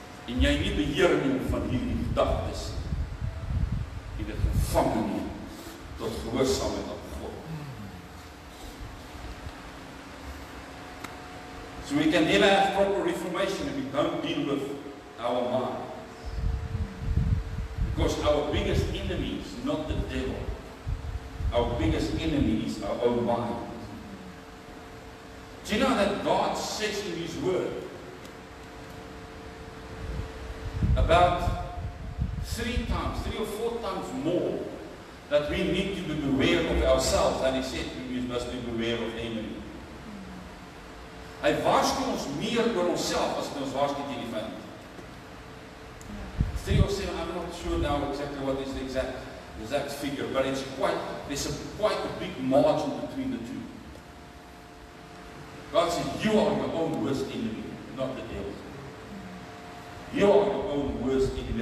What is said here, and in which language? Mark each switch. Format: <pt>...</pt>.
<af>En jy nie beheer neem van hierdie gedagtes en dit gevang neem tot gehoorsaamheid aan God.</af> <en>So we can never have proper reformation if we don't deal with our mind. Because our biggest enemy is not the devil. Our biggest enemy is our own mind. Do you know that God says in His Word about three or four times more that we need to be aware of ourselves than He said we must be aware of the enemy.</en> <af>Hy waarsku ons meer oor onsself as ons waarsku teen die vyand.</af> <en>307, I'm not sure now exactly what is the exact figure, but it's quite, there's quite a big margin between the two. God says, you are your own worst enemy, not the devil. You are your own worst enemy.</en>